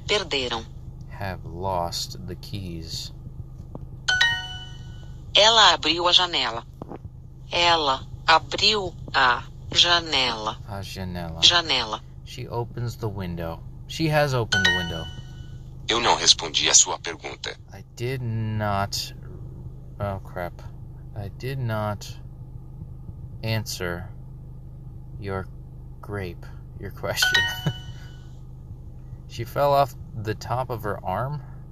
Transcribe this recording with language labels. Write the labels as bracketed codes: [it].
[pt] perderam. [en] Have lost the keys. [pt] Ela abriu a janela. Ela abriu a janela. A janela. Janela. [en] She opens the window. She has opened the window. [pt] Eu não respondi a sua pergunta. [en] I did not... Oh, crap. I did not answer your question. She fell off the top of her arm?